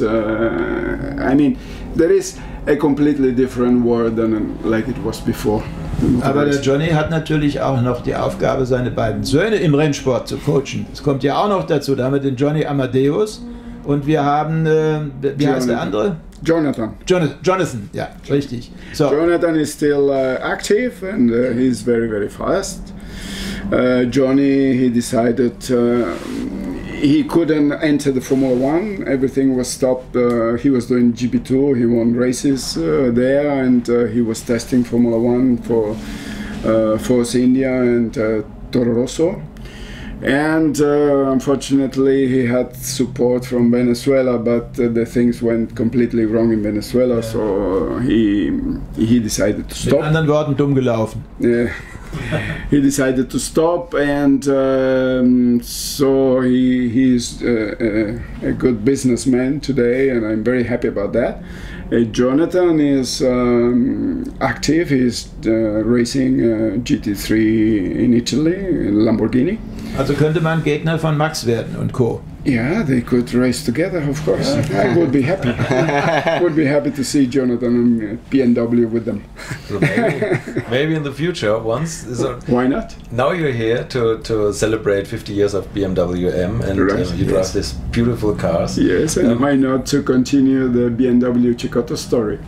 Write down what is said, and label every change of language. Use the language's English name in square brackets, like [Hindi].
[English] I mean, there is a completely different world than like it was before. [German] Aber der Johnny hat natürlich auch noch die Aufgabe, seine beiden Söhne im Rennsport zu coachen. Das kommt ja auch noch dazu. Da haben wir den Johnny Amadeus und wir haben, wie heißt der andere? Jonathan. Jonathan, ja, richtig. So. [English] Jonathan is still active and he's very, very fast. Johnny, he decided he couldn't enter the Formula One. Everything was stopped. He was doing GP2. He won races there, and he was testing Formula One for Force India and Toro Rosso. And unfortunately, he had support from Venezuela, but the things went completely wrong in Venezuela. Yeah. So he decided to stop. [German] Mit anderen Worten, dumm gelaufen. [English] Yeah. he decided to stop, and so he's a good businessman today, and I'm very happy about that. Jonathan is active, he's racing GT3 in Italy, in Lamborghini. [German] Also könnte man Gegner von Max werden und Co. [English] Yeah, they could race together, of course. Yeah. I would be happy. Would be happy to see Jonathan and BMW with them. So maybe in the future, once. So why not? Now you're here to celebrate 50 years of BMW M, and right. You drive yes. These beautiful cars. Yes, and why not to continue the BMW Cicotta story?